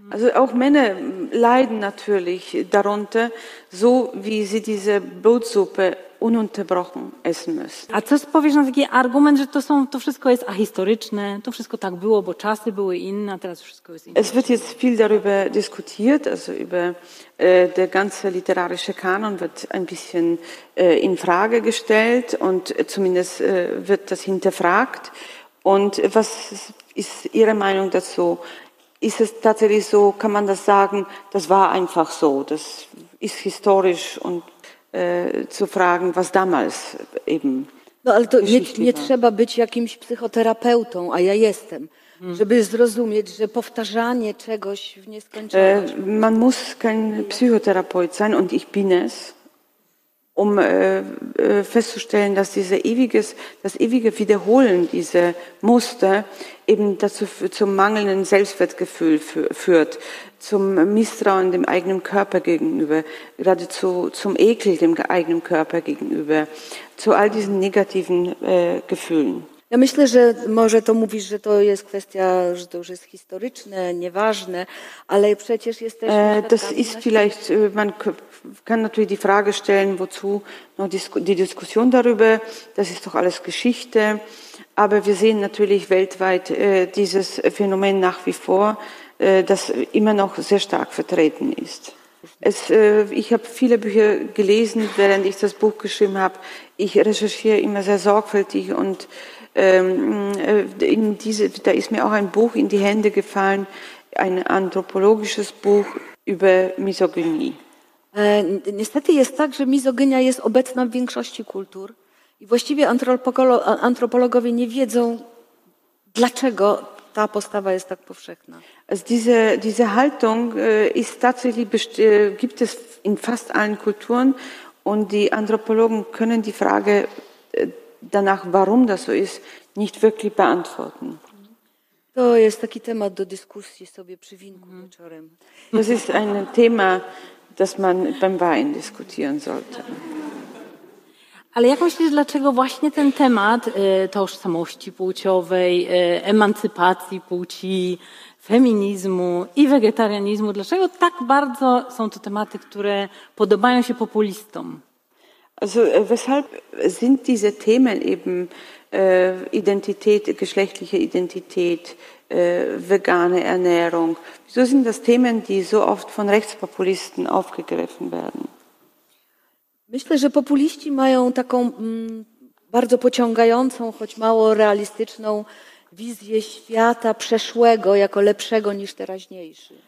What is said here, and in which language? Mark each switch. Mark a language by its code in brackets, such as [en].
[de] Also auch Männer leiden natürlich darunter, so wie sie diese Blutsuppe ununterbrochen essen müssen. [pl] A co powiesz na taki argument, że to wszystko jest ahistoryczne, to wszystko tak było, bo czasy były inne, a teraz wszystko jest inne. [de] Es wird jetzt viel darüber diskutiert, also über der ganze literarische Kanon wird ein bisschen in Frage gestellt und zumindest wird das hinterfragt. Und was ist Ihre Meinung dazu? Ist es tatsächlich so, kann man das sagen, das war einfach so, das ist historisch und zu fragen, was damals eben [pl] no, ale to nie trzeba być jakimś psychoterapeutą, a ja jestem, żeby zrozumieć, że powtarzanie czegoś w nieskończoność. [de] Man muss kein Psychotherapeut sein und ich bin es. Um festzustellen, dass das ewige Wiederholen dieser Muster eben dazu zum mangelnden Selbstwertgefühl führt, zum Misstrauen dem eigenen Körper gegenüber, geradezu zum Ekel dem eigenen Körper gegenüber, zu all diesen negativen Gefühlen. [pl] Ja myślę, że może to mówisz, że to jest kwestia, że to już jest historyczne, nieważne, ale przecież jesteśmy... [de] Das ist vielleicht, man kann natürlich die Frage stellen, wozu noch die Diskussion darüber, das ist doch alles Geschichte, aber wir sehen natürlich weltweit dieses Phänomen nach wie vor, das immer noch sehr stark vertreten ist. Ich habe viele Bücher gelesen, während ich das Buch geschrieben habe. Ich recherchiere immer sehr sorgfältig und da ist mir auch ein Buch in die Hände gefallen, ein anthropologisches Buch über Misogynie. [pl] Niestety jest tak, że mizoginia jest obecna w większości kultur i właściwie antropologowie nie wiedzą, dlaczego ta postawa jest tak powszechna. [de] Diese Haltung ist tatsächlich gibt es in fast allen Kulturen und die Anthropologen können die Frage danach, warum das so ist, nicht wirklich beantworten. [pl] To jest taki temat do dyskusji sobie przy winku wieczorem. [de] Das ist ein Thema, das man beim Wein diskutieren sollte. [pl] Ale jak myślisz, dlaczego właśnie ten temat tożsamości płciowej, emancypacji płci, feminizmu i wegetarianizmu, dlaczego tak bardzo są to tematy, które podobają się populistom? [de] Also weshalb sind diese Themen eben Identität, geschlechtliche Identität, vegane Ernährung, wieso sind das Themen, die so oft von Rechtspopulisten aufgegriffen werden? [pl] Myślę, że populiści mają taką bardzo pociągającą, choć mało realistyczną wizję świata przeszłego jako lepszego niż teraźniejszy.